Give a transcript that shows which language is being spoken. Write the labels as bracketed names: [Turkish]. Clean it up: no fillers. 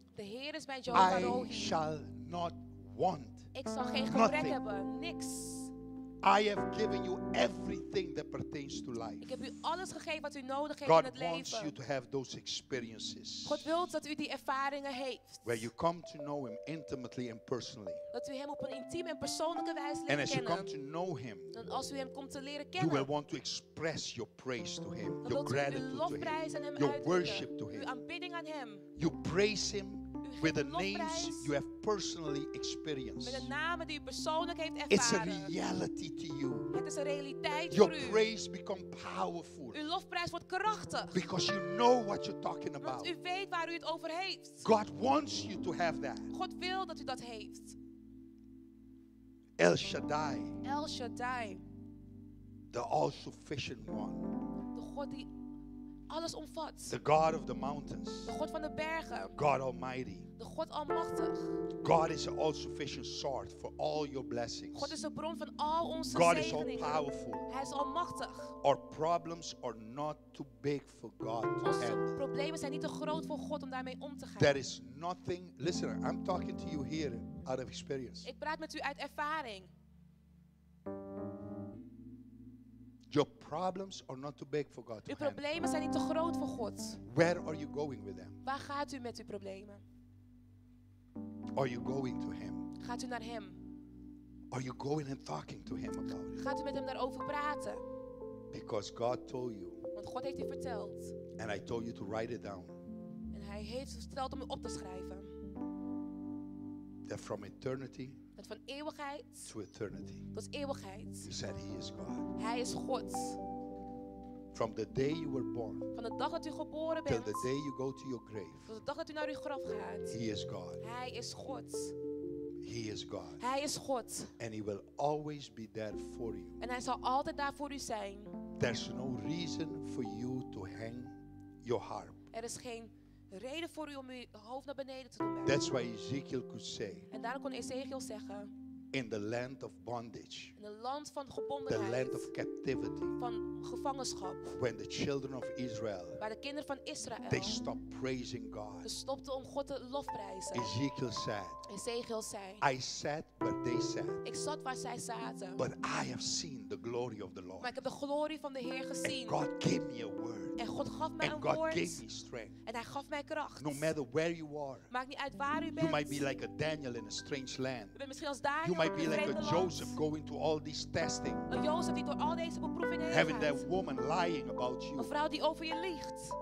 [Dutch] De Heer is mijn Jehovah Rohi. [English] I shall not want. [Dutch] Ik zal geen gebrek hebben. Niks. [English] I have given you everything that pertains to life. [Dutch] Ik heb u alles gegeven wat u nodig heeft [English] God [Dutch] in het leven. [English] God wants you to have those experiences. [Dutch] God wil dat u die ervaringen heeft. [English] Where you come to know Him intimately and personally. [Dutch] Dat u Hem op een intieme en persoonlijke wijze leert kennen. [English] And as you come to know Him, [Dutch] dan als u Hem komt te leren kennen, [English] you will want to express your praise to Him, [Dutch] dan [English] your gratitude [Dutch] u lofprijs [English] to Him, [Dutch] aan hem [English] your [Dutch] uitdrukken, [English] worship to Him, [Dutch] uw aanbidding aan Hem. [English] You praise Him with the names [Dutch] prijs, [English] you have personally experienced. [Dutch] Met de namen die u persoonlijk heeft ervaren. [English] It's a reality to you. [Dutch] Het is een realiteit [English] your [Dutch] voor u. [English] Your praise become powerful. [Dutch] Uw lofprijs wordt krachtig. [English] Because you know what you're talking about. [Dutch] Want u weet waar u het over heeft. [English] God wants you to have that. [Dutch] God wil dat u dat heeft. El Shaddai. El Shaddai. [English] The all-sufficient one. [Dutch] De God die alles omvat. [English] The God of the mountains. [Dutch] De God van de bergen. [English] God Almighty. [Dutch] De God Almachtig. [English] God is an all-sufficient source for all your blessings. [Dutch] God is de bron van al onze [English] God [Dutch] zegeningen. [English] God is all-powerful. [Dutch] Hij is almachtig. [English] Our problems are not too big for God to handle. [Dutch] Onze problemen zijn niet te groot voor God om daarmee om te gaan. [English] There is nothing. Listen, I'm talking to you here out of experience. [Dutch] Ik praat met u uit ervaring. [English] Your problems are not too big for God to handle. [Dutch] Uw problemen zijn niet te groot voor God. [English] Where are you going with them? [Dutch] Waar gaat u met uw problemen? [English] Are you going to Him? [Dutch] Gaat u naar Hem? [English] Are you going and talking to Him about it? [Dutch] Gaat u met Hem daarover praten? [English] Because God told you. [Dutch] Want God heeft u verteld. [English] And I told you to write it down. [Dutch] En Hij heeft verteld om u op te schrijven. [English] That from eternity. [Dutch] Dat van eeuwigheid [English] to eternity. [Dutch] Tot eeuwigheid. [English] You said He is God. [Dutch] Hij is God. [English] From the day you were born. [Dutch] Van de dag dat u geboren bent. [English] Till the day you go to your grave. [Dutch] Tot de dag dat u naar uw graf gaat. [English] He is God. [Dutch] Hij is God. [English] He is God. [Dutch] Hij is God. [English] And He will always be there for you. [Dutch] En Hij zal altijd daar voor u zijn. [English] There's no reason for you to hang your harp. [Dutch] Er is geen reden voor u om uw hoofd naar beneden te doen. [English] That's why Ezekiel could say. [Dutch] En daarom kon Ezekiel zeggen. [English] In the land of bondage. In the land [Dutch] van gebondenheid. [English] The land of captivity. [Dutch] Van gevangenschap. [English] When the children of Israel. [Dutch] Waar de kinderen van Israël. [English] They stopped praising God. [Dutch] Ze stopten om God te lofprijzen. [English] Ezekiel said. [Dutch] Ezekiel zei. [English] I sat where they sat. [Dutch] Ik zat waar zij zaten. [English] But I have seen the glory of the Lord. [Dutch] Maar ik heb de glorie van de Heer gezien. [English] And God gave me a word. [Dutch] En God gaf mij [English] And [Dutch] een [English] God [Dutch] woord. [English] And God gave me strength. [Dutch] En hij gaf mij kracht. [English] No matter where you are. [Dutch] Maakt niet uit waar u bent. [English] You might be like a Daniel in a strange land. [Dutch] U bent misschien als Daniel. [English] You might be like a Joseph going through all this testing. [Dutch] Een Jozef die door al deze beproevingen heen. [English] Having that woman lying about you. [Dutch] Een vrouw die over je liegt.